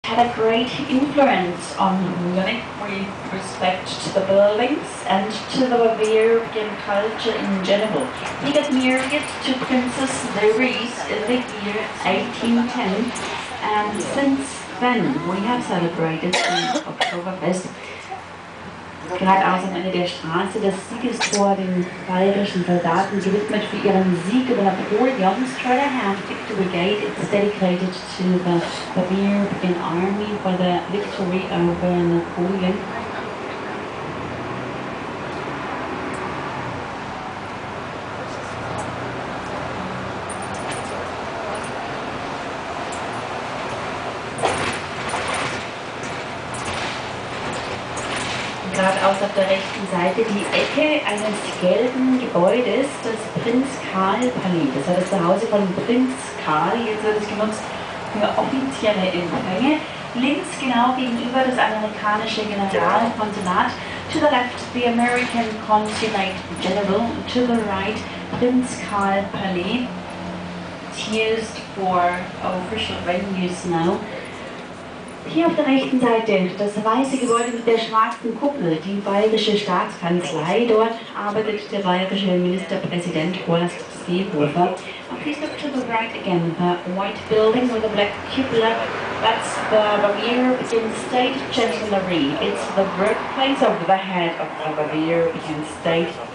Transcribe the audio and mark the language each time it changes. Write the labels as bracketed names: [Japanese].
[English] had great influence on me with respect to the buildings and to the Bavarian culture in general. He got married to Princess Louis in the year 1810, and since then we have celebrated the Oktoberfest. [German] Gerade auch am Ende der Straße das Siegestor den bayerischen Soldaten gewidmet für ihren Sieg über Napoleon. [English] Straight ahead, Victor Brigade, it's dedicated to the Bavarian army for the victory over Napoleon. [German] Der rechten Seite die Ecke eines gelben Gebäudes, das Prinz Karl Palais. Das hat das Zuhause von Prinz Karl. Jetzt wird es genutzt für offizielle Empfänge. Links genau gegenüber das amerikanische Generalkonsulat. [English] To the left the American Consulate General. To the right Prinz Karl Palais. It's used for official venues now. [German] Hier auf der rechten Seite das weiße Gebäude mit der schwarzen Kuppel, die bayerische Staatskanzlei. Dort arbeitet der bayerische Ministerpräsident Horst Seehofer. [English] Please look to the right again, the white building with the black cupola. That's the Bavarian State Chancellery. It's the birthplace of the head of the Bavarian State.